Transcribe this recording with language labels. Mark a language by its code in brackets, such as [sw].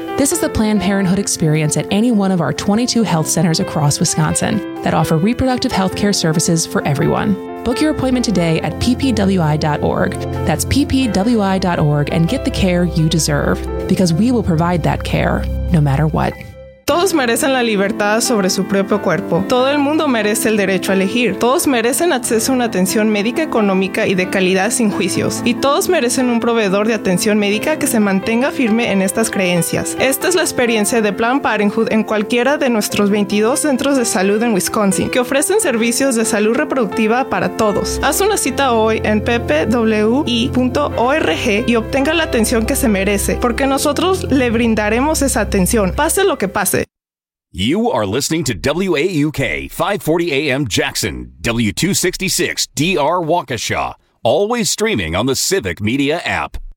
[en] This is the Planned Parenthood experience at any one of our 22 health centers across Wisconsin that offer reproductive healthcare services for everyone. Book your appointment today at ppwi.org. That's ppwi.org, and get the care you deserve, because we will provide that care no matter what. [es] Todos merecen la libertad sobre su propio cuerpo. Todo el mundo merece el derecho a elegir. Todos merecen acceso a una atención médica económica y de calidad sin juicios. Y todos merecen un proveedor de atención médica que se mantenga firme en estas creencias. Esta es la experiencia de Planned Parenthood en cualquiera de nuestros 22 centros de salud en Wisconsin, que ofrecen servicios de salud reproductiva para todos. Haz una cita hoy en ppwi.org y obtenga la atención que se merece, porque nosotros le brindaremos esa atención, pase lo que pase. [en] You are listening to WAUK 540 AM Jackson, W266 DR Waukesha, always streaming on the Civic Media app.